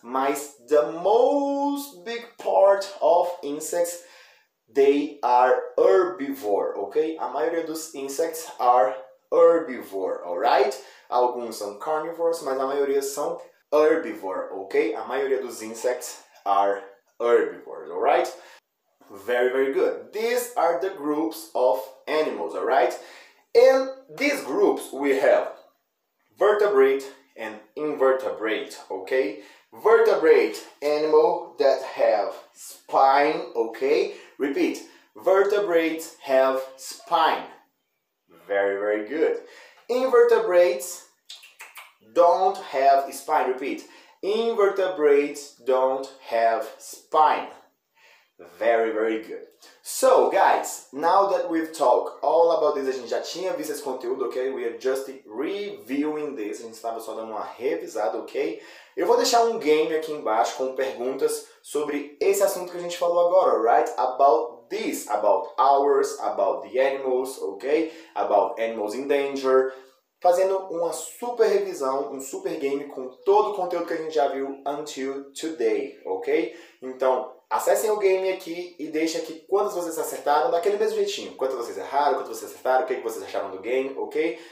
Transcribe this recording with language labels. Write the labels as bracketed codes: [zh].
[pt] Mas [en] the most big part of insects, they are herbivore, ok? [pt] A maioria dos [en] insects are herbivore, alright? [pt] Alguns são carnivores, mas a maioria são herbivore, ok? A maioria dos [en] insects are herbivores, alright? Very, very good. These are the groups of animals, alright? In these groups, we have vertebrate and invertebrate, okay? Vertebrate, animal that have spine, okay? Repeat, vertebrates have spine. Very, very good. Invertebrates don't have spine. Repeat, invertebrates don't have spine. Very, very good. So, guys, now that we've talked all about this, [pt] a gente já tinha visto esse conteúdo, [en] ok? We are just reviewing this. [pt] A gente estava só dando uma revisada, ok? Eu vou deixar um game aqui embaixo com perguntas sobre esse assunto que a gente falou agora, [en] right? About this, about ours, about the animals, ok? About animals in danger. [pt] Fazendo uma super revisão, um super game com todo o conteúdo que a gente já viu [en] until today, [pt] ok? Então, acessem o game aqui e deixem aqui quantas vocês acertaram, daquele mesmo jeitinho. Quantas vocês erraram, quantas vocês acertaram, o que vocês acharam do game, ok?